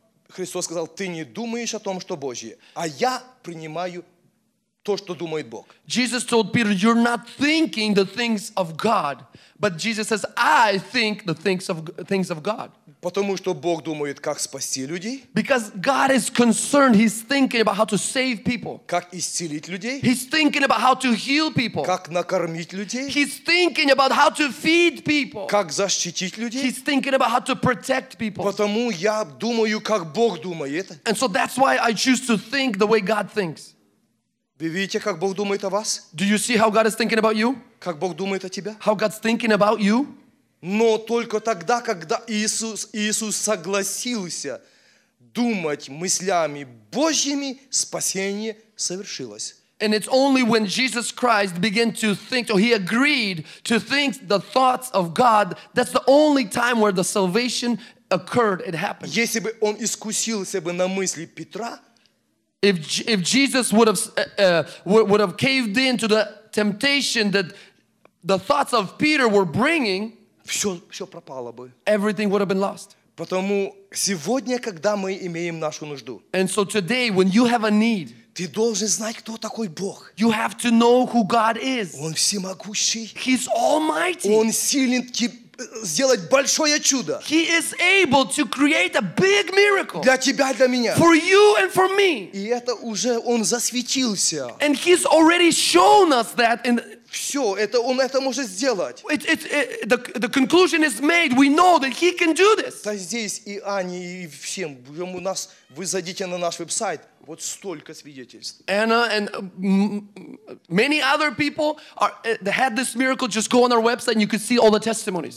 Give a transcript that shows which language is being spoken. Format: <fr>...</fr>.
<ru>Христос сказал, ты не думаешь о том, что Божье, а я принимаю то, что думает Бог.</ru> <en>Jesus told Peter, you're not thinking the things of God, but Jesus says, I think the things of God.</en> <ru>Потому что Бог думает, как спасти людей.</ru> <en>Because God is concerned, he's thinking about how to save people.</en> <ru>Как исцелить людей.</ru> <en>He's thinking about how to heal people.</en> <ru>Как накормить людей.</ru> <en>He's thinking about how to feed people.</en> <ru>Как защитить людей.</ru> <en>He's thinking about how to protect people.</en> <ru>Потому я думаю, как Бог думает.</ru> <en>And so that's why I choose to think the way God thinks.</en> <ru>Вы видите, как Бог думает о вас?</ru> <en>Do you see how God is thinking about you?</en> <ru>Как Бог думает о тебя?</ru> <en>How God's thinking about you?</en> <ru>Но только тогда, когда Иисус согласился думать мыслями Божьими, спасение совершилось.</ru> <en>And it's only when Jesus Christ began to think, or he agreed to think the thoughts of God, that's the only time where the salvation occurred, it happened.</en> <ru>Если бы он искусился бы на мысли Петра,</ru> <en>if Jesus would have caved in to the temptation that the thoughts of Peter were bringing,</en> <ru>Все пропало бы.</ru> <en>Everything would have been lost.</en> <ru>Потому сегодня, когда мы имеем нашу нужду,</ru> <en>and so today, when you have a need,</en> <ru>ты должен знать, кто такой Бог.</ru> <en>You have to know who God is.</en> <ru>Он всемогущий.</ru> <en>He's almighty.</en> <ru>Он силен сделать большое чудо.</ru> <en>He is able to create a big miracle.</en> <ru>Для тебя, для меня.</ru> <en>For you and for me.</en> <ru>И это уже он засветился.</ru> <en>And he's already shown us that in</en> <ru>все, это он это может сделать.</ru> <en>The conclusion is made. We know that he can do this.</en> <ru>Да здесь и Ани, и всем. У нас, вы зайдите на наш веб-сайт. Вот столько свидетельств.</ru> <en>Anna and many other people had this miracle. Just go on our website and you can see all the testimonies.</en>